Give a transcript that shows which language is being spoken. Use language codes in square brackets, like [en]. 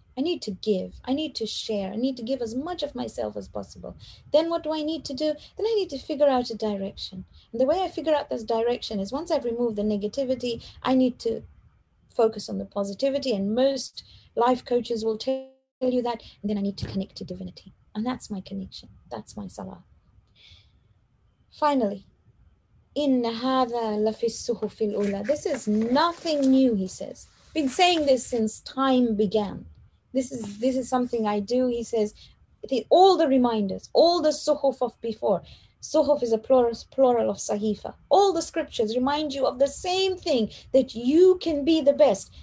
[en] I need to give, I need to share, I need to give as much of myself as possible. Then what do I need to do? Then I need to figure out a direction. And the way I figure out this direction is, once I've removed the negativity, I need to focus on the positivity. And most life coaches will tell you that. And then I need to connect to divinity. And that's my connection. That's my salah. [ar] Finally, إِنَّ هَذَا لَفِي السُّحُفِ الْأُولَى. [en] This is nothing new, he says. Been saying this since time began. This is something I do. He says, all the reminders, all the suhuf of before. Suhuf is a plural of sahifa. All the scriptures remind you of the same thing, that you can be the best.